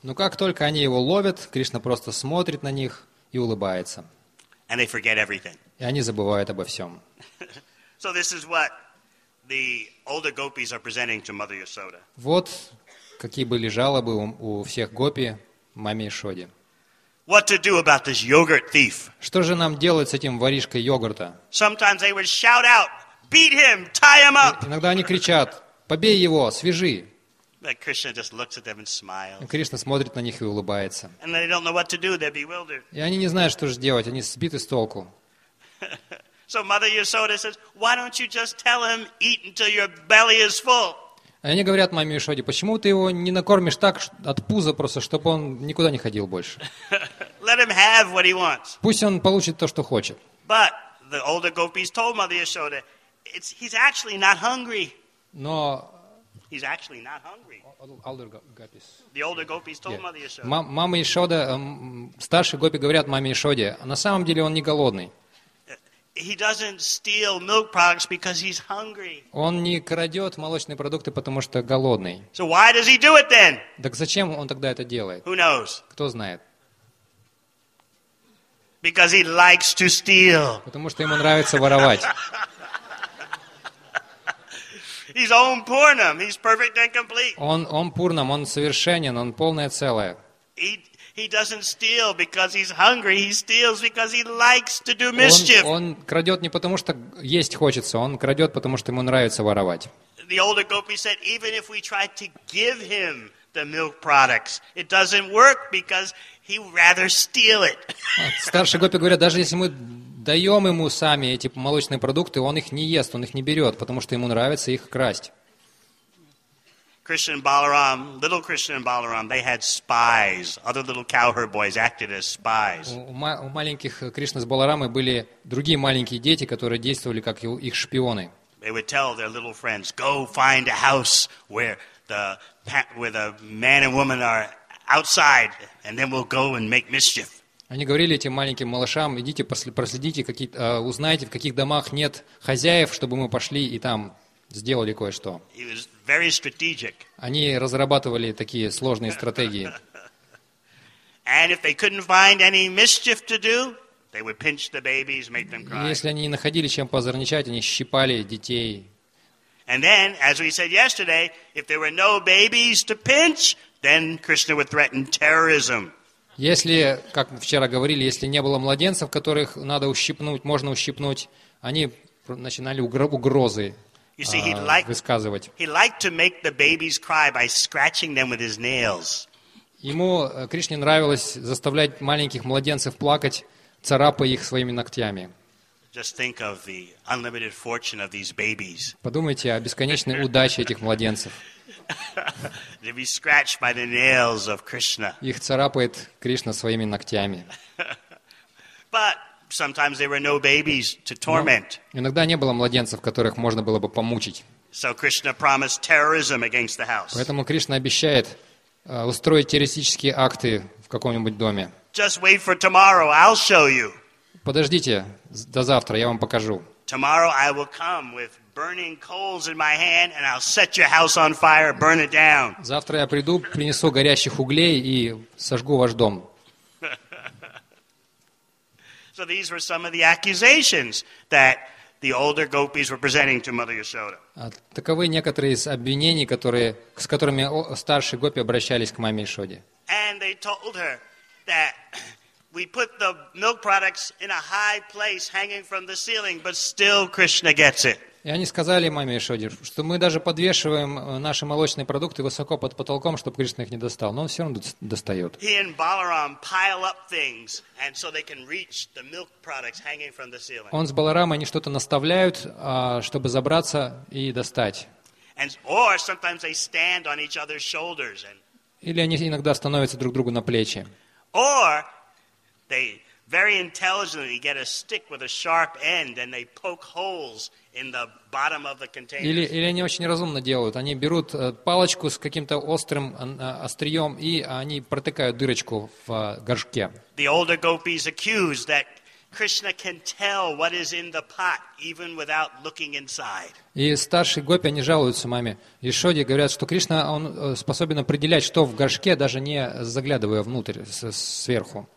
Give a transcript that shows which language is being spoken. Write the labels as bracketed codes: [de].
[ru] Ну как только они его ловят, Кришна просто смотрит на них и улыбается. [en] And they forget everything. [ru] И они забывают обо всем. [en] So this is what the older gopis are presenting to Mother Yashoda. [ru] Вот какие были жалобы у всех гопи маме Яшоде. [en] What to do about this yogurt thief? [ru] Что же нам делать с этим воришкой йогурта? [en] Sometimes they would shout out, "Beat him, tie him up!" [ru] Иногда они кричат: "Побей его, свяжи!" [en] But Krishna just looks at them and smiles. [ru] Кришна смотрит на них и улыбается. [en] And they don't know what to do; they're bewildered. [ru] И они не знают, что же делать. Они сбиты с толку. [en] So Mother Yashoda says, "Why don't you just tell him eat until your belly is full?" [ru] Они говорят маме Яшоде: "Почему ты его не накормишь так от пуза просто, чтобы он никуда не ходил больше?" [en] Let him have what he wants. [ru] Пусть он получит то, что хочет. [en] But the older gopis told Mother Yashoda, "He's actually not hungry." [ru] Но [en] He's actually not hungry. Older gopis. The older gopis told Mother Yashoda. [ru] Мама Яшода, старшие гопи говорят маме Яшоде: "На самом деле он не голодный." [en] He doesn't steal milk products because he's hungry. [ru] Он не крадет молочные продукты, потому что голодный. [en] So why does he do it then? [ru] Так зачем он тогда это делает? [en] Who knows? [ru] Кто знает? [en] Because he likes to steal. [ru] Потому что ему нравится воровать. [en] He's Om Purnam. He's perfect and complete. [ru] Он Om Purnam. Он совершенен. Он полное целое. [en] He doesn't steal because he's hungry. He steals because he likes to do mischief. [ru] Он крадет не потому, что есть хочется. Он крадет, потому что ему нравится воровать. [en] The older gopi said, even if we tried to give him the milk products, it doesn't work because he rather steal it. [ru] Старшие гопи говорят, даже если мы даем ему сами эти молочные продукты, он их не ест, он их не берет, потому что ему нравится их красть. [en] Krishna and Balaram, little Krishna and Balaram, they had spies. Other little cowherd boys acted as spies. [ru] У маленьких Кришна с Баларамой были другие маленькие дети, которые действовали как их шпионы. [en] They would tell their little friends, "Go find a house where the man and woman are outside, and then we'll go and make mischief." [ru] Они говорили этим маленьким малышам: "Идите, проследите, узнайте, в каких домах нет хозяев, чтобы мы пошли и там сделали кое-что." [en] He was very strategic. [ru] Они разрабатывали такие сложные стратегии. [en] And if they couldn't find any mischief to do, they would pinch the babies, make them cry. [ru] Если они не находили чем позорничать, они щипали детей. [en] And then, as we said yesterday, if there were no babies to pinch, then Krishna would threaten terrorism. [ru] Если, как мы вчера говорили, если не было младенцев, которых надо ущипнуть, можно ущипнуть, они начинали угрозы. [en] You see, he liked to make the babies cry by scratching them with his nails. [ru] Ему Кришне нравилось заставлять маленьких младенцев плакать, царапая их своими ногтями. [en] Just think of the unlimited fortune of these babies. [ru] Подумайте о бесконечной удаче этих младенцев. [en] They'd be scratched by the nails of Krishna. [ru] Их царапает Кришна своими ногтями. [en] But sometimes there were no babies to torment. [ru] Иногда не было младенцев, которых можно было бы помучить. [en] So Krishna promised terrorism against the house. [ru] Поэтому Кришна обещает устроить террористические акты в каком-нибудь доме. [en] Just wait for tomorrow, I'll show you. [ru] Подождите до завтра, я вам покажу. [en] Tomorrow I will come with burning coals in my hand and I'll set your house on fire, burn it down. [ru] Завтра я приду, принесу горящих углей и сожгу ваш дом. [en] So these were some of the accusations that the older gopis were presenting to Mother Yashoda. [ru] Таковы некоторые из обвинений, с которыми старшие гопи обращались к маме Яшоде. [en] And they told her that We put the milk products in a high place, hanging from the ceiling, but still Krishna gets it. [ru] И они сказали маме Яшоде, что мы даже подвешиваем наши молочные продукты высоко под потолком, чтобы Кришна их не достал. Но он все равно достает. [en] He and Balaram pile up things, and so they can reach the milk products hanging from the ceiling. [ru] Он с Баларамой, они что-то наставляют, чтобы забраться и достать. [en] And or sometimes they stand on each other's shoulders. [ru] Или они иногда становятся друг другу на плечи. [en] Or they very intelligently get a stick with a sharp end and they poke holes in the bottom of the container. [ru] Или они очень разумно делают. Они берут палочку с каким-то острым острием и они протыкают дырочку в горшке. [en] The older gopis accuse that Krishna can tell what is in the pot even without looking inside. [ru] И старшие гопи они жалуются маме Яшоде, говорят, что Кришна он способен определять, что в горшке, даже не заглядывая внутрь сверху.